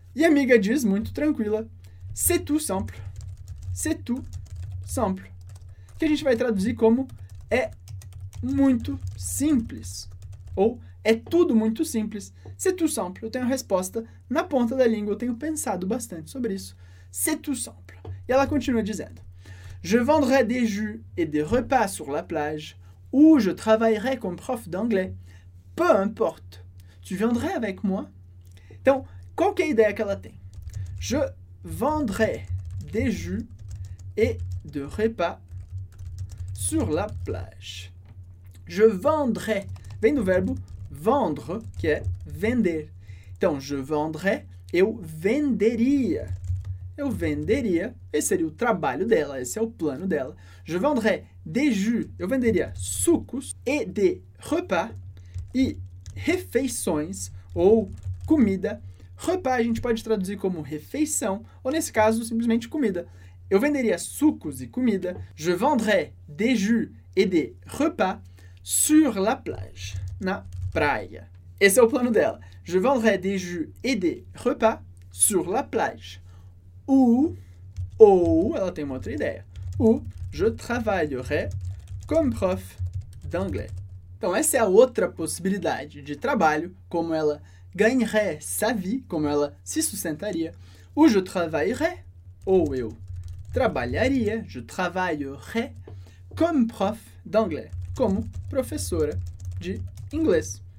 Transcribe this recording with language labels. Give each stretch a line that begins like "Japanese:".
Portuguese: E a amiga diz, muito tranquila,
French: c'est tout simple. C'est tout simple.
Portuguese: Que a gente vai traduzir como é muito simples. Ou é tudo muito simples.
French: C'est tout simple.
Portuguese: Eu tenho a resposta na ponta da língua. Eu tenho pensado bastante sobre isso.
French: C'est tout simple.
Portuguese: E ela continua dizendo:
French: je vendrai des jus et des repas sur la plage ou je travaillerai comme prof d'anglais. Peu importe. Tu viendrais avec moi?
Portuguese: Então, qual que é a ideia que ela tem?
French: Je vendrai des jus et de repas sur la plage.
Portuguese: Je vendrai. Vem do verbo vendre, que é vender. Então, je vendrai, eu venderia. Eu venderia. Esse seria o trabalho dela, esse é o plano dela.
French: Je vendrai des jus,
Portuguese: eu venderia sucos,
French: et des repas,
Portuguese: e refeições, ou comida. Repas a gente pode traduzir como refeição, ou nesse caso, simplesmente comida. Eu venderia sucos e comida.
French: Je vendrais des jus et des repas sur la plage.
Portuguese: Na praia. Esse é o plano dela.
French: Je vendrais des jus et des repas sur la plage.
Portuguese: Ou, ela tem uma outra ideia.
French: Ou, je travaillerais comme prof d'anglais.
Portuguese: Então, essa é a outra possibilidade de trabalho, como ela
French: gagnerait sa vie,
Portuguese: como ela se sustentaria. Ou, je travaillerais, ou eu trabalharia,
French: je travaillerais comme prof d'anglais,
Portuguese: como professora de inglês.